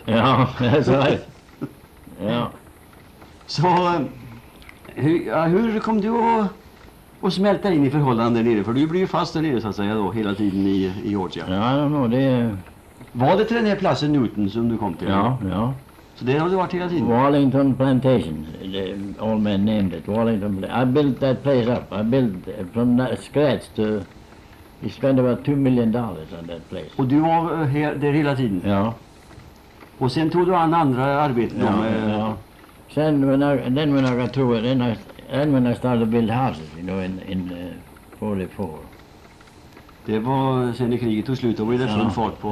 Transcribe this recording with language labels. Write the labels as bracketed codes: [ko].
[en] Ja, that's right. Ja. [sv] Så, hur kom du att... Och smälta in i förhållanden där nere, för du blir ju fast där nere så att säga då, hela tiden i Georgia. Ja, jag vet inte, det är... Var det till den här platsen Newton som du kom till? Ja, ja. Så det har du varit hela tiden? [en] Wallington Plantation, the old man named it, Wallington Plantation. I built that place up, I built from scratch to... He spent about $2 million on that place. [sv] Och du var där hela tiden? Ja. Och sen tog du an andra arbeten? Ja, ja. [en] Sen, when I got through it, then I... And when I started to build houses, you know, in 44. [sv] Det var sen i kriget tog slut, och blev det sån fart på.